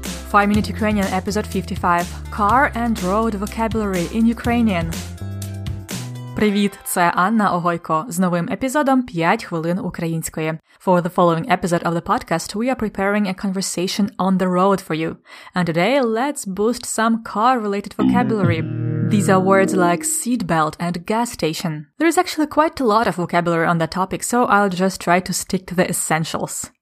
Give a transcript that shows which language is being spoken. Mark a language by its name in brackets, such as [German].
[English] 5-Minute Ukrainian, episode 55. Car and road vocabulary in Ukrainian. [Ukrainian] Привіт, це Анна Огойко з новим епізодом 5 хвилин української. [English] For the following episode of the podcast, we are preparing a conversation on the road for you. And today, let's boost some car-related vocabulary. These are words like seatbelt and gas station. There is actually quite a lot of vocabulary on that topic, so I'll just try to stick to the essentials.